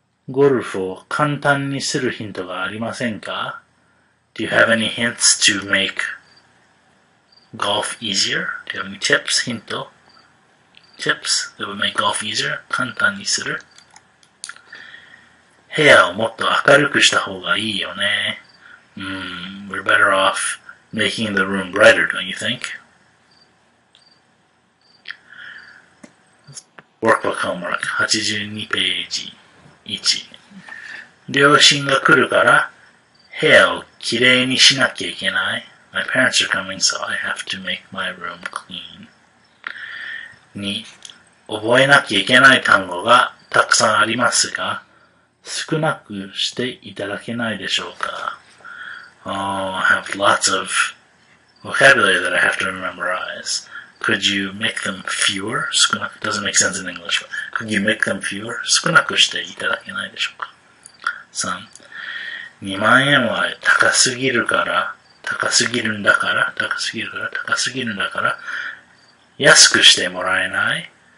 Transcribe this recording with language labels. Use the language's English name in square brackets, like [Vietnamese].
[Japanese] ゴルフを簡単にするヒントがありませんか? [English] Do you have any hints to make golf easier? Do you have any tips, hinto? Tips that would make golf easier? [Japanese] 簡単にする? 部屋をもっと明るくした方がいいよね。 [English] We're better off making the room brighter, don't you think? Workbook homework, 82 ページ1. [Japanese] 両親が来るから部屋をきれいにしなきゃいけない。 [English] My parents are coming, so I have to make my room clean. 2. [Japanese] 覚えなきゃいけない単語がたくさんありますが、少なくしていただけないでしょうか。 [English] Oh, I have lots of vocabulary that I have to memorize. Could you make them fewer? 少なく、doesn't make sense in English, but could you make them fewer? [Japanese] 少なくしていただけないでしょうか。 3. 2万円は高すぎるから、高すぎるんだから、高すぎるから、高すぎるんだから、安くしてもらえない。